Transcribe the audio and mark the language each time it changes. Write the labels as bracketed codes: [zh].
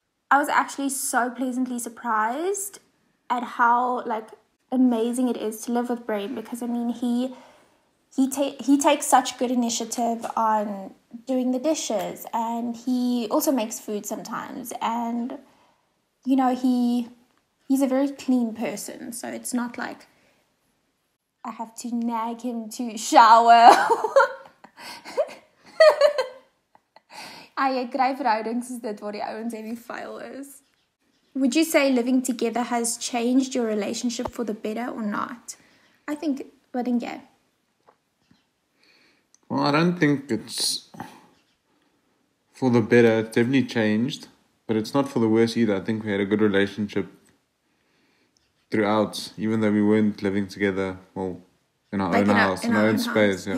[en] I was actually so pleasantly surprised at how, like, amazing it is to live with Brain, because, I mean, he takes such good initiative on doing the dishes, and he also makes food sometimes, and, you know, he's a very clean person, so it's not like I have to nag him to shower. [af] Ai, ek kry verhoudings is dit waar die ouens en die vuil is. [en] Would you say living together has changed your relationship for the better or not? I think, but in yeah. Well, I don't think it's for the better. It's definitely changed, but it's not for the worse either. I think we had a good relationship throughout, even though we weren't living together, well, in our, like, own, in house, in our own space, house.